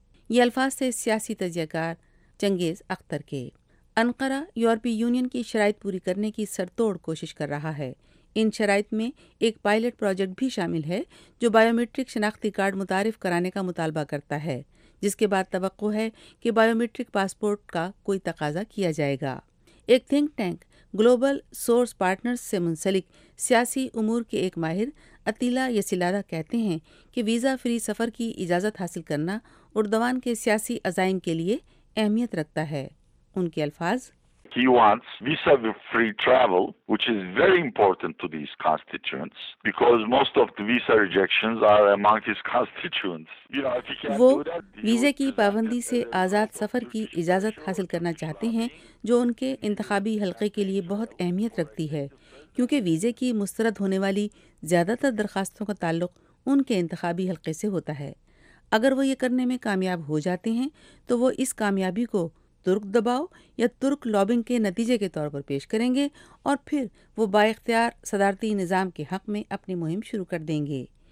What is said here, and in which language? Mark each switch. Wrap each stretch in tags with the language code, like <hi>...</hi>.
<ur>یہ الفاظ تھے سیاسی تجزیہ کار چنگیز اختر کے۔ انقرہ یورپی یونین کی شرائط پوری کرنے کی سر توڑ کوشش کر رہا ہے۔ ان شرائط میں ایک پائلٹ پروجیکٹ بھی شامل ہے جو بائیو میٹرک شناختی کارڈ متعارف کرانے کا مطالبہ کرتا ہے، جس کے بعد توقع ہے کہ بائیو میٹرک پاسپورٹ کا کوئی تقاضا کیا جائے گا۔ ایک think tank global source partners سے منسلک سیاسی امور کے ایک ماہر عطیلا یسیلادہ کہتے ہیں کہ ویزا فری سفر کی اجازت حاصل کرنا اردوان کے سیاسی عزائم کے لیے اہمیت رکھتا ہے۔ ان کے الفاظ،</ur> <en>He wants visa-free travel, which is very important to these constituents, because most of the visa rejections are among his constituents.</en> <ur>وہ ویزے کی پابندی سے آزاد سفر کی اجازت حاصل کرنا چاہتے ہیں جو ان کے انتخابی حلقے کے لیے بہت اہمیت رکھتی ہے، کیونکہ ویزے کی مسترد ہونے والی زیادہ تر درخواستوں کا تعلق ان کے انتخابی حلقے سے ہوتا ہے۔ اگر وہ یہ کرنے میں کامیاب ہو جاتے ہیں تو وہ اس کامیابی کو ترک دباؤ یا ترک لابنگ کے نتیجے کے طور پر پیش کریں گے، اور پھر وہ با اختیار صدارتی نظام کے حق میں اپنی مہم شروع کر دیں گے۔</ur>